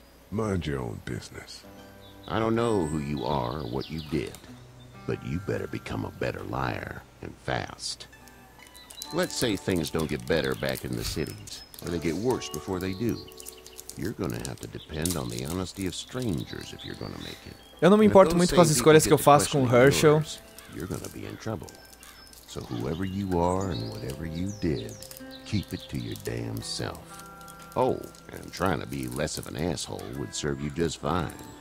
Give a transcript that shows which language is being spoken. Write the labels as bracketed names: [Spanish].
[English] Mind your own business. I don't know who you are or what you did. But you better become a better liar, and fast. Let's say things don't get better back in the cities, or they get worse before they do. You're gonna have to depend on the honesty of strangers if you're gonna make it. [Portuguese] Eu não me importo muito com as escolhas que eu faço com o Herschel. [English] You're gonna be in trouble. So whoever you are and whatever you did, keep it to your damn self. Oh, and trying to be less of an asshole would serve you just fine.